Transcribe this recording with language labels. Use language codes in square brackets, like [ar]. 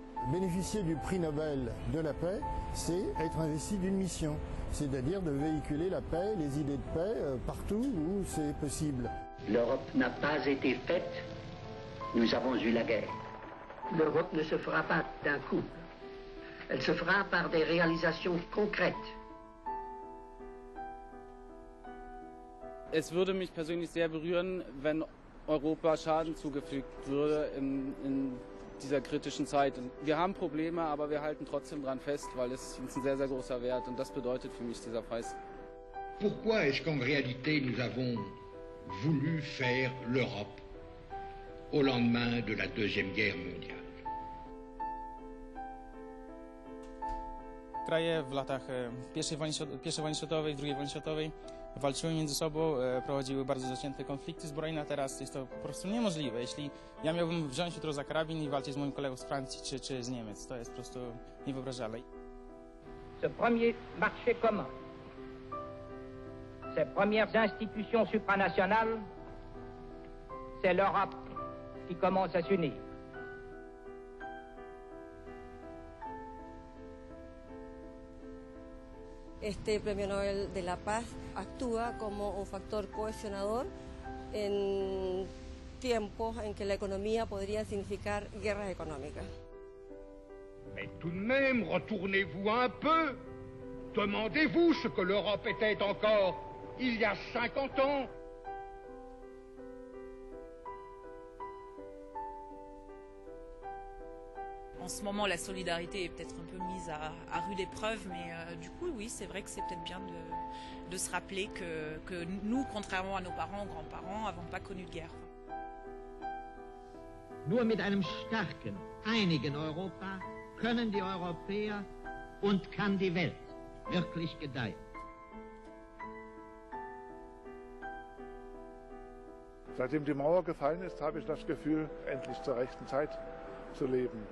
[fr] Bénéficier du prix Nobel de la paix, c'est être investi d'une mission, c'est-à-dire de véhiculer la paix, les idées de paix, partout où c'est possible. L'Europe n'a pas été faite, nous avons eu la guerre. L'Europe ne se fera pas d'un coup, elle se fera par des réalisations concrètes. [de] Es würde mich persönlich sehr berühren, wenn Europa Schaden zugefügt würde in dieser kritischen Zeit. Und wir haben Probleme, aber wir halten trotzdem dran fest, weil es uns ein sehr, sehr großer Wert und das bedeutet für mich dieser Preis. [fr] Pourquoi est-ce qu'en réalité nous avons voulu faire l'Europe au lendemain de la Deuxième Guerre mondiale? [pl] Kraje w latach I wojny światowej, II wojny światowej walczyły między sobą, prowadziły bardzo zacięte konflikty zbrojne, a teraz jest to po prostu niemożliwe. Jeśli ja miałbym wziąć jutro za karabin I walczyć z moim kolegą z Francji czy z Niemiec, to jest po prostu niewyobrażalne. [fr] Ce premier marché commun, ces premières institutions supranationales, c'est l'Europe qui commence à s'unir. [es] Este Premio Nobel de la Paz actúa como un factor cohesionador en tiempos en que la economía podría significar guerras económicas. [fr] Mais tout de même, retournez-vous un peu. Demandez-vous ce que l'Europe était encore il y a 50 ans. En ce moment, la solidarité est peut-être un peu mise à rude épreuve, mais du coup, oui, c'est vrai que c'est peut-être bien de se rappeler que nous, contrairement à nos parents, aux grands-parents, n'avons pas connu de guerre. [de] Nur mit einem starken, einigen Europa können die Europäer und kann die Welt wirklich gedeihen. Seitdem die Mauer gefallen ist, habe ich das Gefühl, endlich zur rechten Zeit zu leben.